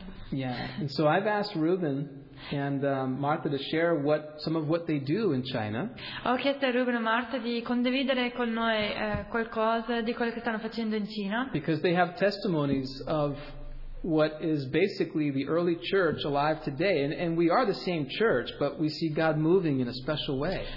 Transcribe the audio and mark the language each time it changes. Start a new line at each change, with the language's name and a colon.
English: Yeah, and so I've asked Ruben and Martha to share what some of what they do in China.
Italian: Ho chiesto a Ruben e Martha di condividere con noi qualcosa di quello che stanno facendo in Cina.
English: Because they have testimonies of what is basically the early church alive today, and we are the same church, but we see God moving in a special way.